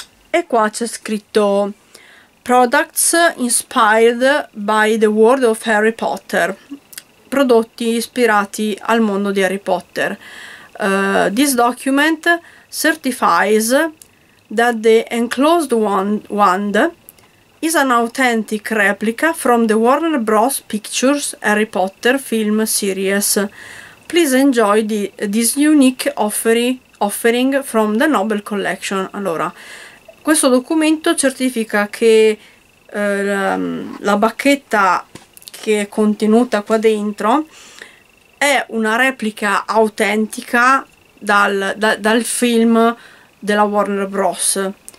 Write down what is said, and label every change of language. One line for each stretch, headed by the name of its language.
English: E qua c'è scritto Products inspired by the world of Harry Potter.
Italian: Prodotti ispirati al mondo di Harry Potter.
English: This document certifies that the enclosed wand is an authentic replica from the Warner Bros. Pictures Harry Potter film series. Please enjoy this unique offering from the Nobel Collection.
Italian: Allora, questo documento certifica che la bacchetta che è contenuta qua dentro è una replica autentica. Dal film della Warner Bros.